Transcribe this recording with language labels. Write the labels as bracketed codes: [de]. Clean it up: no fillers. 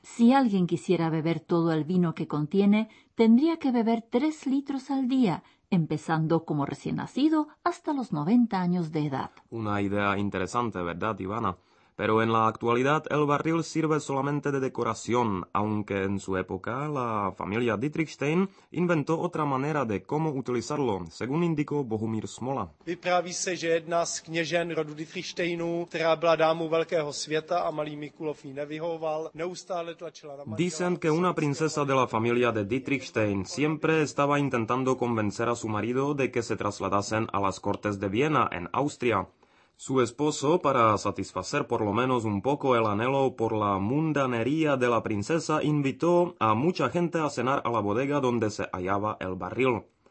[es] Si alguien quisiera beber todo el vino que contiene, tendría que beber 3 litros al día, empezando como recién nacido hasta los 90 años de edad. Una idea interesante, ¿verdad, Ivana? Pero en la actualidad el barril sirve solamente de decoración, aunque en su época la familia Dietrichstein inventó otra manera de cómo utilizarlo, según indicó Bohumír Smola. [cs] Vypráví se, že jedna z kněžen rodu Dietrichsteinů, která byla dámou velkého světa a malý Mikulov jí nevyhoval, neustále tlačila na manžela. [es] Dicen que una princesa de la familia de Dietrichstein siempre estaba intentando convencer a su marido de que se trasladasen a las Cortes de Viena en Austria. Su esposo, para satisfacer por lo menos un poco el anhelo por la mundanería de la princesa, invitó a mucha gente a cenar a la bodega donde se hallaba el barril.